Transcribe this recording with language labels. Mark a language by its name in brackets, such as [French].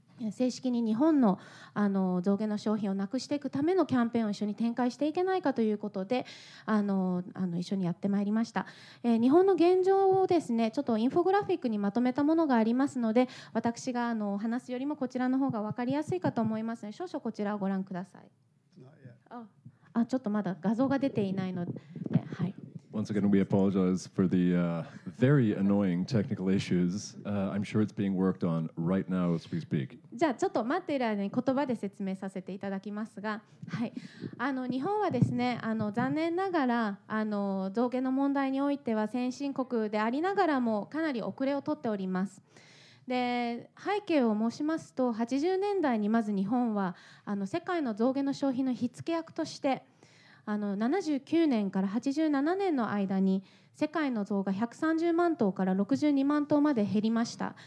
[Japanese] 正式に日本の、あの、象牙の商品をなくしていくためのキャンペーンを一緒に展開していけないかということで、あの一緒にやってまいりました。日本の現状をですね、ちょっとインフォグラフィックにまとめたものがありますので、私があの話すよりもこちらの方が分かりやすいかと思いますので、少々こちらをご覧ください。ちょっとまだ画像が出ていないので、はい。 [English] Once again, we apologize for the very annoying technical issues. I'm sure it's being worked on right now as we speak. [Japanese] じゃあちょっと待っている間に言葉で説明させていただきますが、はい、あの日本はですね、あの残念ながらあの象牙の問題においては先進国でありながらもかなり遅れを取っております。で、背景を申しますと、80年代にまず日本はあの世界の象牙の消費の火付け役として、あの79年から87年の間に世界の象が130万頭から62万頭まで減りました。